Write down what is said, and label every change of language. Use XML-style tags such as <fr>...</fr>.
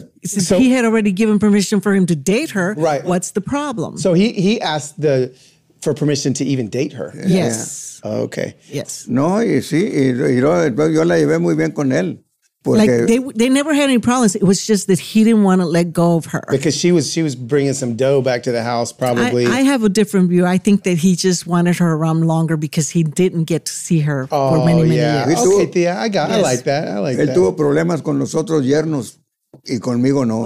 <en>Since he had already given permission for him to date her, right. What's the problem? So he asked for permission to even date her. Yes. Okay. Yes.</en> <es>No, y sí, yo la llevé muy bien con él.</es> <en>Like they never had any problems. It was just that he didn't want to let go of her. Because she was bringing some dough back to the house, probably. I have a different view. I think that he just wanted her around longer because he didn't get to see her for many years. Okay, tía, I like that.</en> <es>Él tuvo problemas con los otros yernos y conmigo no.</es>